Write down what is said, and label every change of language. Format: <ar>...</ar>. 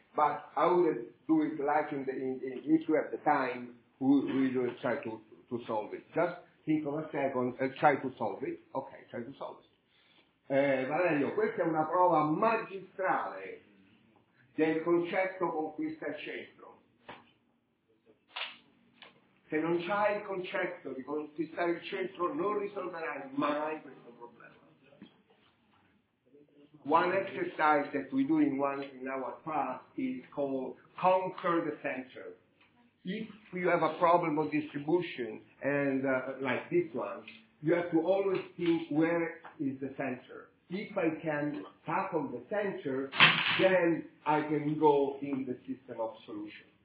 <en>But I would do it like in if we have the time, we will try to solve it. Just think of a second and try to solve it. Okay, try to solve it.</en> <it>Valerio, questa è una prova magistrale del concetto conquista centro. Se non c'hai il concetto di conquistare il centro, non risolverai mai questo problema.</it> <en>One exercise that we do in our class is called Conquer the Center. if you have a problem of distribution, and like this one, you have to always think where is the center. If I can tackle the center, then I can go in the system of solution.</en>